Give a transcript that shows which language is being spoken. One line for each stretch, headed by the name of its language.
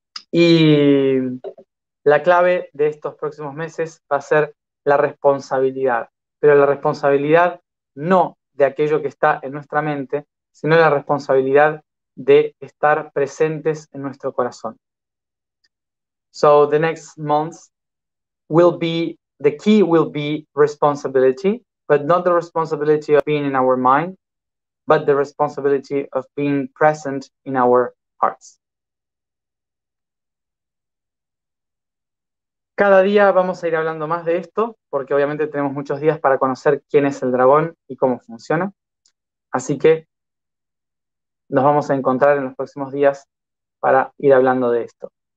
Spanish: Y la clave de estos próximos meses va a ser la responsabilidad, pero la responsabilidad no de aquello que está en nuestra mente, sino la responsabilidad de estar presentes en nuestro corazón.
English: So the next months will be, the key will be responsibility, but not the responsibility of being in our mind, but the responsibility of being present in our hearts.
Spanish: Cada día vamos a ir hablando más de esto, porque obviamente tenemos muchos días para conocer quién es el dragón y cómo funciona. Así que nos vamos a encontrar en los próximos días para ir hablando de esto.